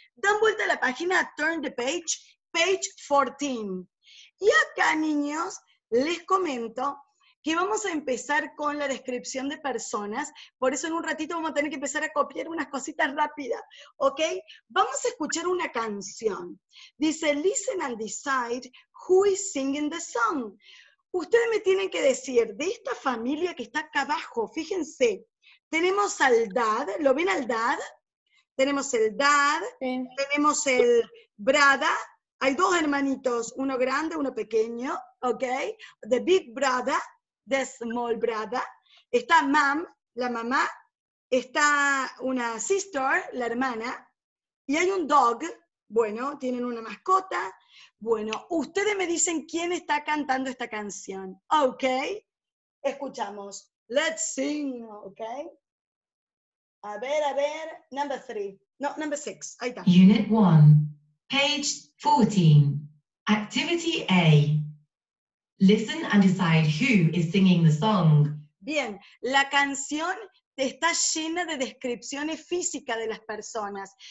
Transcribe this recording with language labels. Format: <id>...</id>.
<es>Dan vuelta a la página,</es> <en>turn the page, page 14.</en> <es>Y acá, niños, les comento que vamos a empezar con la descripción de personas, por eso en un ratito vamos a tener que empezar a copiar unas cositas rápidas, ¿ok? Vamos a escuchar una canción.</es> <en>Dice, listen and decide who is singing the song.</en> <es>Ustedes me tienen que decir, de esta familia que está acá abajo, fíjense, tenemos al dad, ¿lo ven al dad? Tenemos el dad, sí. Tenemos el brada, hay dos hermanitos, uno grande, uno pequeño, ¿ok?</es> <en>The big brother, the small brother,</en> <es>está mom, la mamá, está una sister, la hermana, y hay un dog, bueno, tienen una mascota, bueno, ustedes me dicen quién está cantando esta canción, ¿ok? Escuchamos,</es> <en>let's sing,</en> <es>¿ok? A ver,</es> <en>number three,</en> <es>no,</es> <en>number six,</en> <es>ahí está.</es> <en>Unit one, page 14, activity A. Listen and decide who is singing the song.</en> <es>Bien, la canción está llena de descripciones físicas de las personas.</es>